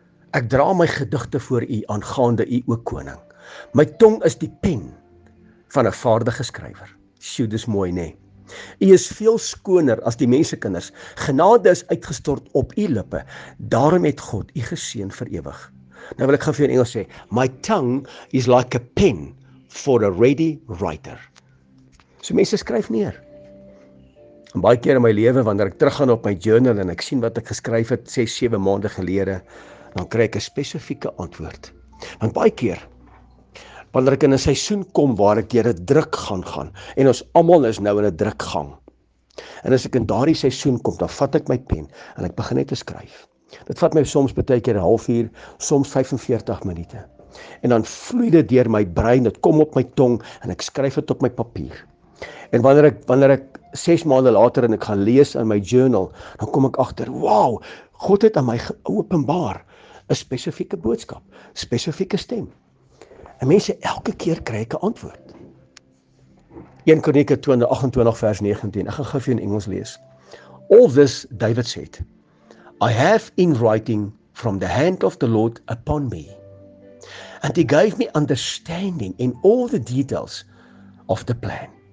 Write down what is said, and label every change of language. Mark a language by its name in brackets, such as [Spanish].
[Afrikaans] Ek dra my gedigte voor u aangaande u, o koning. My tong is die pen van 'n vaardige skrywer. Sjoe, dis mooi, nê? U is veel skoner as die mensekinders. Genade is uitgestort op u lippe. Daarom het God u geseën vir ewig. Nou wil ek gou vir jou in Engels sê, [English] my tongue is like a pen for a ready writer. [Afrikaans] So mense skryf neer. En baie keer in my lewe, wanneer ek teruggaan op my journal en ek sien wat ek geskryf het 6-7 maande gelede, dan kry ek 'n spesifieke antwoord. Want baie keer, wanneer ek in 'n seisoen kom waar ek deur 'n druk gaan, en ons almal is nou in 'n druk gang, en as ek in daardie seisoen kom, dan vat ek my pen en ek begin net te skryf. Dit vat my soms baie keer 'n halfuur, soms 45 minute. En dan vloei dit deur my brein, dit kom op my tong en ek skryf dit op my papier. En wanneer ek 6 maande later en ek gaan lees in my journal, dan kom ek agter, "Wow, God het aan my geopenbaar 'n spesifieke boodskap, spesifieke stem." En mense, elke keer kry ek 'n antwoord. 1 Kronieke 28 vers 19. Ek gaan gou vir jou in Engels lees. [English] All this David said, I have in writing from the hand of the Lord upon me. And he gave me understanding in all the details of the plan.